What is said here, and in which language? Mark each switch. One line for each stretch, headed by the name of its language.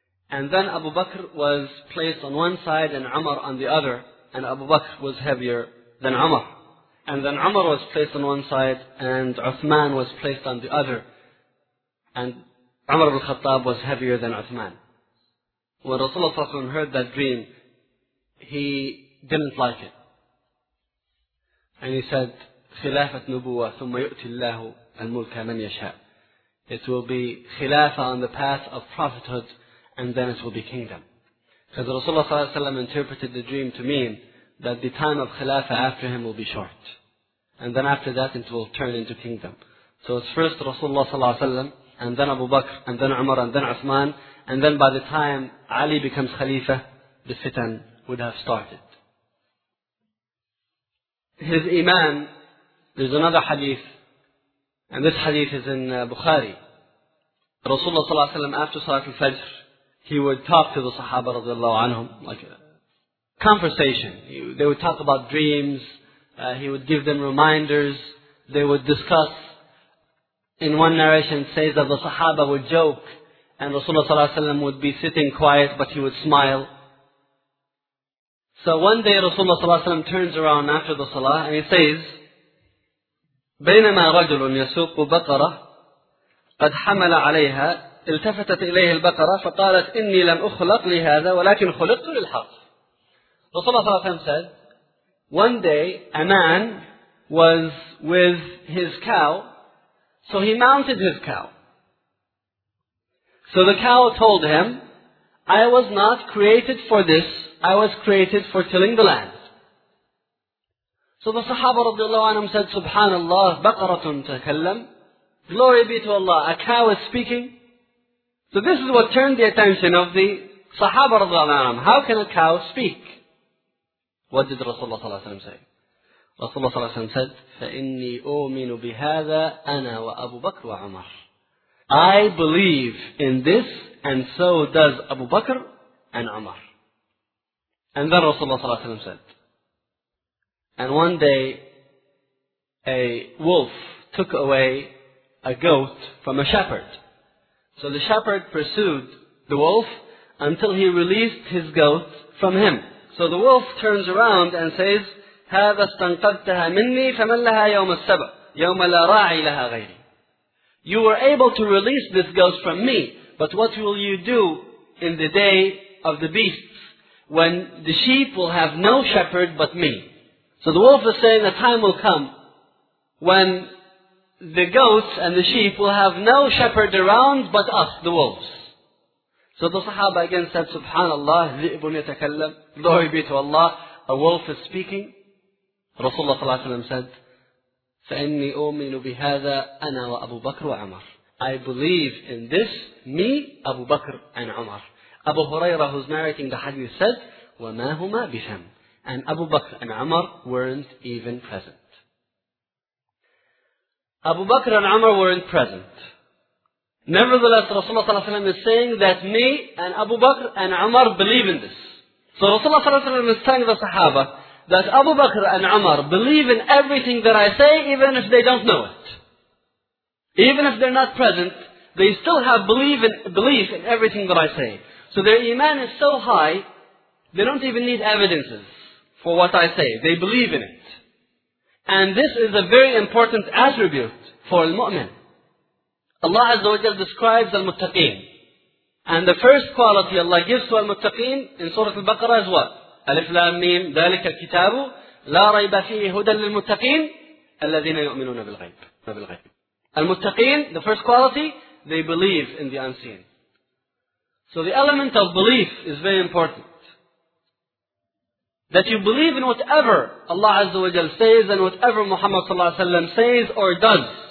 English: And then Abu Bakr was placed on one side and Umar on the other, and Abu Bakr was heavier than Umar. And then Umar was placed on one side and Uthman was placed on the other, and Umar ibn Khattab was heavier than Uthman. When Rasulullah صلى الله عليه وسلم heard that dream, he didn't like it. And he said,
Arabic: خلافة نبوة ثم يؤتي الله الملك من يشاء.
English: It will be khilafa on the path of prophethood, and then it will be kingdom. Because Rasulullah صلى الله عليه وسلم interpreted the dream to mean that the time of khilafa after him will be short. And then after that it will turn into kingdom. So it's first Rasulullah صلى الله عليه وسلم, and then Abu Bakr, and then Umar, and then Uthman, and then by the time Ali becomes khalifa, the fitan would have started. His Iman, there's another hadith, and this hadith is in Bukhari. Rasulullah صلى الله عليه وسلم, after Salat al-Fajr, he would talk to the Sahaba رضي الله عنهم, like a conversation. They would talk about dreams, he would give them reminders, they would discuss. In one narration it says that the Sahaba would joke, and Rasulullah صلى الله عليه وسلم would be sitting quiet, but he would smile. So one day Rasulullah صلى الله عليه وسلم turns around after the Salah, and he says,
Arabic: بينما رجل يسوق بقرة قد حمل عليها التفتت إليه البقرة فقالت إني لم أخلق لهذا ولكن خلقت للحرث.
English: Rasulullah صلى الله عليه وسلم said, one day a man was with his cow, so he mounted his cow. So the cow told him, I was not created for this, I was created for tilling the land. So the Sahaba رضي الله عنهم said, Subhanallah,
Arabic: بقرة تكلم.
English: Glory be to Allah, a cow is speaking. So this is what turned the attention of the Sahaba رضي الله عنهم. How can a cow speak? What did Rasulullah صلى الله عليه وسلم say? Rasulullah صلى الله عليه وسلم said,
Arabic: فإني أؤمن بهذا أنا وأبو بكر وعمر.
English: I believe in this, and so does Abu Bakr and Umar. And then Rasulullah صلى الله عليه وسلم said, and one day, a wolf took away a goat from a shepherd. So the shepherd pursued the wolf until he released his goat from him. So the wolf turns around and says,
Arabic: هذا استنقذتها مني فمن لها يوم السبع يوم لا راعي لها غيري.
English: You were able to release this goat from me, but what will you do in the day of the beasts when the sheep will have no shepherd but me? So the wolf is saying a time will come when the goats and the sheep will have no shepherd around but us, the wolves. So the Sahaba again said, Subhanallah,
Arabic: ذِئْبٌ يَتَكَلَّمْ.
English: Glory be to Allah, a wolf is speaking. Rasulullah صلى الله عليه وسلم said,
Arabic: فَإِنِّي أُؤْمِنُ بِهَذَا أَنَا وَأَبُو بَكْرُ وَعَمَرُ.
English: I believe in this, me, Abu Bakr and Umar. Abu Huraira, who's narrating the hadith, said,
Arabic: وَمَا هُمَا بِسَمْ.
English: And Abu Bakr and Umar weren't even present. Abu Bakr and Umar weren't present. Nevertheless, Rasulullah ﷺ is saying that me and Abu Bakr and Umar believe in this. So Rasulullah ﷺ is telling the Sahaba that Abu Bakr and Umar believe in everything that I say, even if they don't know it. Even if they're not present, they still have belief in everything that I say. So their iman is so high, they don't even need evidences for what I say. They believe in it. And this is a very important attribute for al-mu'min. Allah Azza wa Jalla describes al-muttaqeen. And the first quality Allah gives to al-muttaqeen in Surah Al-Baqarah is what? Alif Lam Mim,
Arabic: ذَلِكَ الْكِتَابُ
English: لا ريب فيه هدى للمتقين الذين يؤمنون بالغيب.
Arabic: فبالغيب المتقين,
English: the first quality, they believe in the unseen. So the element of belief is very important. That you believe in whatever Allah Azza wa Jal says and whatever Muhammad Sallallahu Alaihi Wasallam says or does.